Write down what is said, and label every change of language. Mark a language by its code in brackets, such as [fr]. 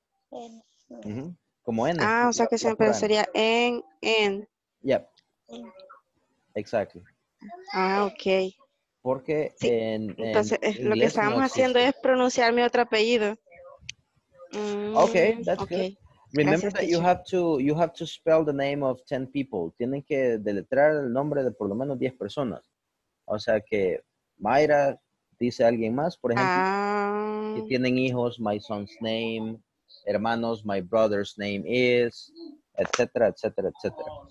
[es] N. Mm-hmm. Como N. Ah, o sea que siempre sería N, N. [en] Yep. Exactly. Ah, ok. [es] Porque sí. Lo que estábamos haciendo es pronunciar mi otro apellido. [en] Okay, that's okay. Good. Remember Gracias, that you have to spell the name of 10 people. [es] Tienen que deletrear el nombre de por lo menos 10 personas. O sea que Mayra dice a alguien más, por ejemplo, que tienen hijos, [en] my son's name, [es] hermanos, [en] my brother's name is, [es] etcétera, etcétera, etcétera.